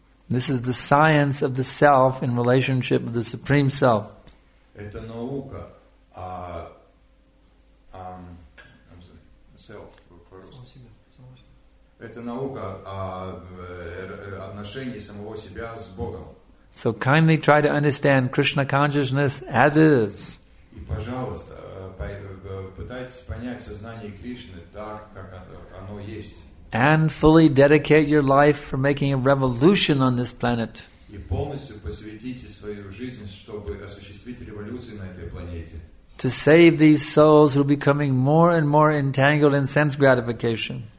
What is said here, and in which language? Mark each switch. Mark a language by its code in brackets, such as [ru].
[en] This is the science of the self in relationship with the Supreme Self. [ru] Это наука о отношении самого себя с Богом. [en] So kindly try to understand Krishna consciousness as is. [ru] И, пожалуйста, пытайтесь понять сознание Кришны так, как оно есть. [en] And fully dedicate your life for making a revolution on this planet. [ru] И полностью посвятите свою жизнь, чтобы осуществить революцию на этой планете. [en] To save these souls who are becoming more and more entangled in sense gratification.